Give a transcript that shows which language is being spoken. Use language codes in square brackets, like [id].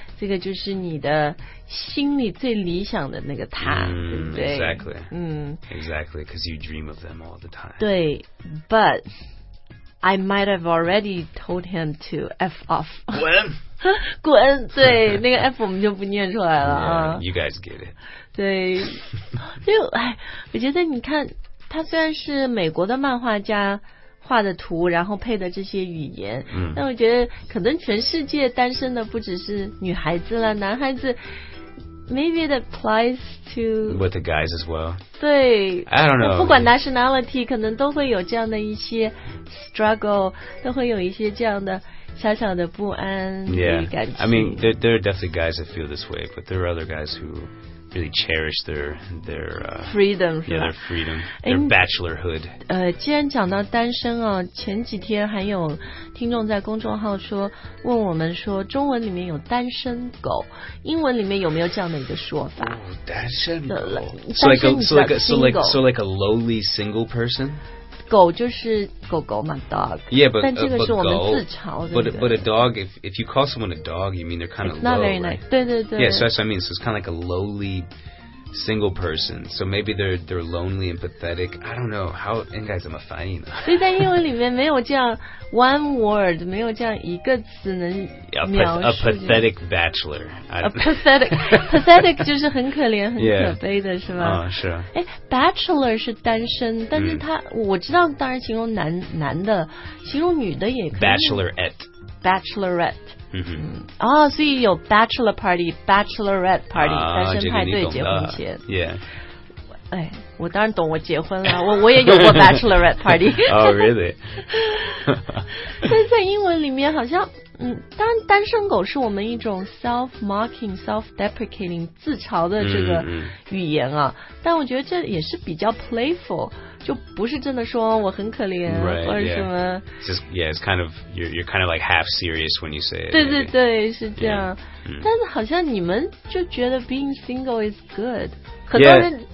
[zh] 这个就是你的心里最理想的那个他、对不对 [en] exactly exactly because you dream of them all the time [zh] 对 [en] but I might have already told him to F off [zh] 滚滚对那个 F 我们就不念出来了、 [en] yeah, you guys get it [zh] 对就哎，我觉得你看他虽然是美国的漫画家画的图然后配的这些语言那我觉得可能全世界单身的不只是女孩子了男孩子 [en] maybe it applies to with the guys as well [zh] 对 [en] I don't know [zh] 不管 nationality 可能都会有这样的一些 struggle 都会有一些这样的小小的不安的感觉 [en] yeah I mean there are definitely guys that feel this way but there are other guys who really cherish their freedom yeah their freedom their bachelorhood [zh] 既然讲到单身哦前几天还有听众在公众号说问我们说中文里面有单身狗英文里面有没有这样的一个说法、 [en] oh, 单身狗 so like a lowly single person [zh] 狗就是狗狗嘛 dog. [en] Yeah, but, [zh] 但这个是我们自嘲的。 [en] But a dog, if you call someone a dog, you mean they're kind of low. It's not very nice. Right? [zh] 对对对。 [en] Yeah, so that's what I mean. So it's kind of like a lowly single person. So maybe they're lonely and pathetic. I don't know. [zh] How, 应该怎么翻译呢？所以在英文里面没有这样 [en] one word, [zh] 没有这样一个词能描述。 [en] A pathetic bachelor. A pathetic. [zh] Pathetic 就是很可怜很可悲的是吧？是。哎 ,bachelor 是单身但是他我知道当然形容男的形容女的也可以。 [en] Bachelorette. Bachelorette. 哦、mm-hmm. [zh] oh, 所以有 bachelor party, bachelorette party, 单身派对结婚前。 [en] Yeah. [zh] 哎我当然懂我结婚了我也有过 bachelorette party. [en] Oh, really? [zh] 但在英文里面好像当然单身狗是我们一种 [en] self-mocking, self-deprecating, [zh] 自嘲的这个语言啊、mm-hmm. 但我觉得这也是比较 playful,就不是真的说我很可怜 [en] right, [zh] 或者什么 [en] it's kind of you're kind of like half serious when you say it [zh] 对对对是这样、yeah. 但是好像你们就觉得 [en] being single is good [zh] 很多人、